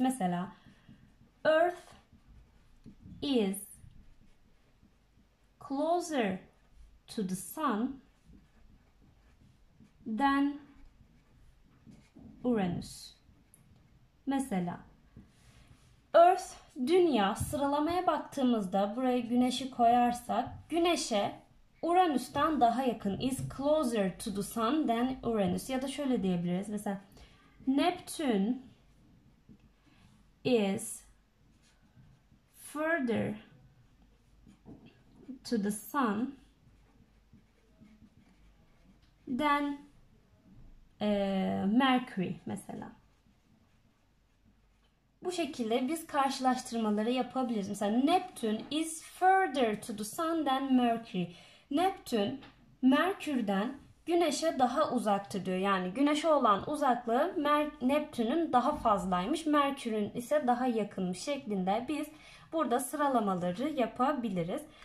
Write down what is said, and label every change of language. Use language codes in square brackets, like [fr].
[en] Mesela Earth is closer to the sun than Uranüs. [tr] Mesela Earth, Dünya sıralamaya baktığımızda buraya Güneş'i koyarsak Güneş'e Uranüs'ten daha yakın. [en] Is closer to the sun than Uranüs. [tr] Ya da şöyle diyebiliriz. [en] Mesela Neptune is further to the sun than Mercury mesela. [tr] Bu şekilde biz karşılaştırmaları yapabiliriz. [en] Mesela Neptune is further to the sun than Mercury. [tr] Neptune Merkür'den Güneş'e daha uzaktır diyor. Yani Güneş'e olan uzaklığı Neptün'ün daha fazlaymış, Merkür'ün ise daha yakınmış şeklinde biz burada sıralamaları yapabiliriz.